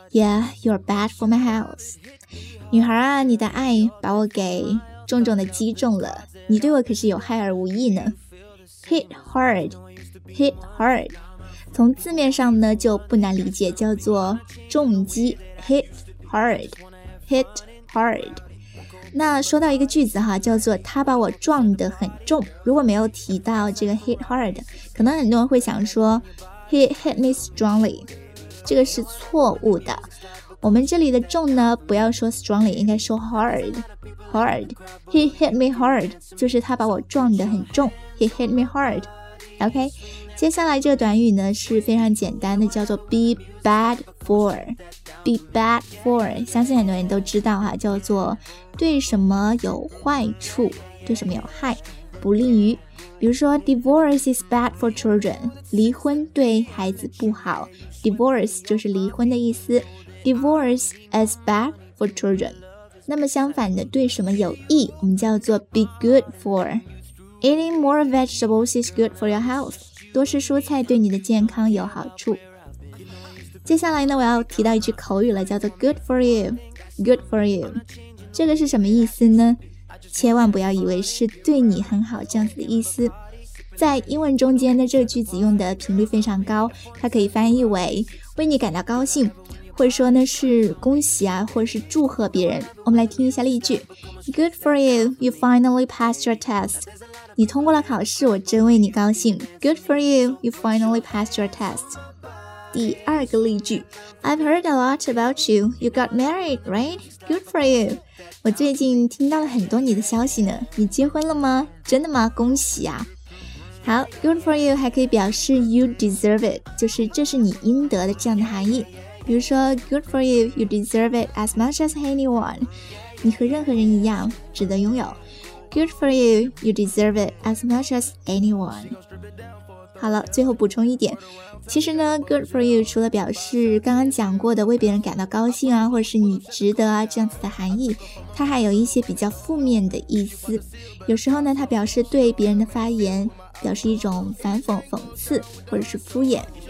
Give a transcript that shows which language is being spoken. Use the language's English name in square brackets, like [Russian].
[English] Yeah, you're bad for my health. [Chinese] 女孩啊，你的爱把我给重重的击中了，你对我可是有害而无益呢。 [English] Hit hard, hit hard， [Chinese] 从字面上呢就不难理解，叫做重击。 [English] Hit hard, hit hard。 [Chinese] 那说到一个句子哈，叫做他把我撞得很重，如果没有提到这个 hit hard， 可能很多人会想说 [English] he hit me strongly， [Chinese] 这个是错误的。我们这里的重呢，不要说 strongly， 应该说 hard， [English] hard， he hit me hard， [Chinese] 就是他把我撞得很重， he hit me hard， OK。接下来这个短语呢是非常简单的，叫做 [English] be bad for。 Be bad for， [Chinese] 相信很多人都知道哈，叫做对什么有坏处，对什么有害，不利于。 [English] 比如说 ，divorce is bad for children， [Chinese] 离婚对孩子不好。 Divorce 就是离婚的意思。 [English] Divorce is bad for children。 [Chinese] 那么相反的，对什么有益，我们叫做 [English] be good for。 Eating more vegetables is good for your health， [Chinese] 多吃蔬菜对你的健康有好处。接下来呢，我要提到一句口语了，叫做 [English] good for you， good for you， [Chinese] 这个是什么意思呢？千万不要以为是对你很好这样子的意思。在英文中间的这个句子用的频率非常高，它可以翻译为为你感到高兴，或者说呢是恭喜啊，或者是祝贺别人。我们来听一下例句。 [English] Good for you, you finally passed your test， [Chinese] 你通过了考试，我真为你高兴。 [English] Good for you, you finally passed your test。 [Chinese] 第二个例句， [English] I've heard a lot about you. You got married, right? Good for you. [Chinese] 我最近听到了很多你的消息呢，你结婚了吗？真的吗？恭喜啊。好， [English] good for you [Chinese] 还可以表示 [English] you deserve it， [Chinese] 就是这是你应得的这样的含义。 [English] 比如说 good for you, you deserve it as much as anyone， [Chinese] 你和任何人一样值得拥有。 [English] good for you, you deserve it as much as anyone。 [Chinese] 好了，最后补充一点，其实呢 [English] good for you [Chinese] 除了表示刚刚讲过的为别人感到高兴啊，或者是你值得啊这样子的含义，它还有一些比较负面的意思。有时候呢它表示对别人的发言表示一种反讽、讽刺或者是敷衍。